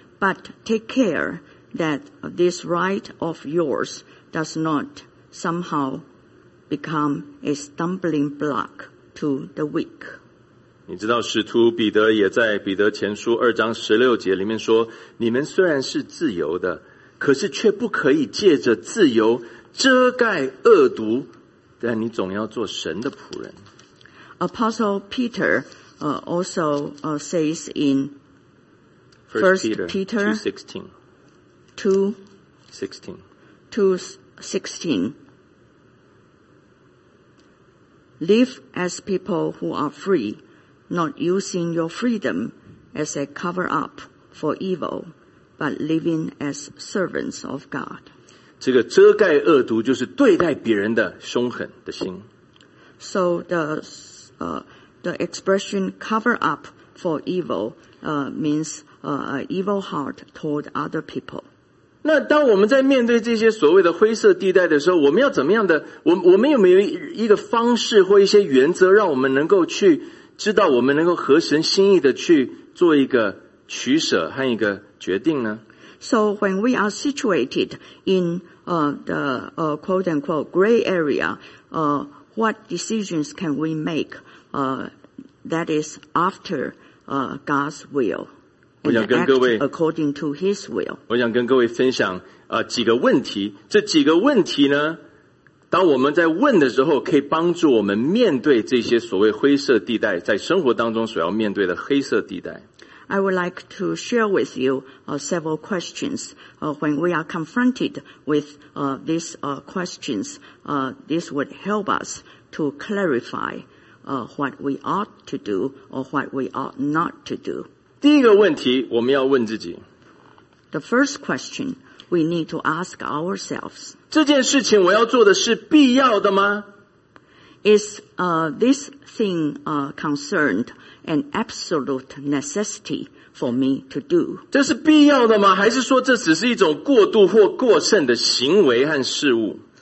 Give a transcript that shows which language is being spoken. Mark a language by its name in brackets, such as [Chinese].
[English] But take care that this right of yours does not somehow become a stumbling block to the weak. [Chinese] 你知道使徒彼得也在彼得前书二章十六节里面说，你们虽然是自由的，可是却不可以借着自由遮盖恶毒，但你总要做神的仆人。 [English] Apostle Peter also says in 1 Peter 2:16, live as people who are free, not using your freedom as a cover up for evil, but living as servants of God. [Chinese] 这个遮盖恶毒就是对待别人的凶狠的心。 [English] So the expression cover up for evil means an evil heart toward other people. [Chinese] 那当我们在面对这些所谓的灰色地带的时候，我们要怎么样的，我们有没有一个方式或一些原则，让我们能够去知道我们能够合神心意的去做一个取舍和一个决定呢？ [English] So when we are situated in the quote unquote gray area, what decisions can we make that is after God's will and act according to His will? [Chinese] 我想跟各位分享几个问题。这几个问题呢，当我们在问的时候，可以帮助我们面对这些所谓灰色地带，在生活当中所要面对的黑色地带。 [English] I would like to share with you several questions. When we are confronted with these questions, this would help us to clarify what we ought to do or what we ought not to do. [Chinese] 第一个问题，我们要问自己。 [English] The first question. We need to ask ourselves. [Chinese] 这件事情我要做的是必要的吗？ [English] Is this thing concerned an absolute necessity for me to do? [Chinese] 这是必要的吗？还是说这只是一种过度或过剩的行为和事物？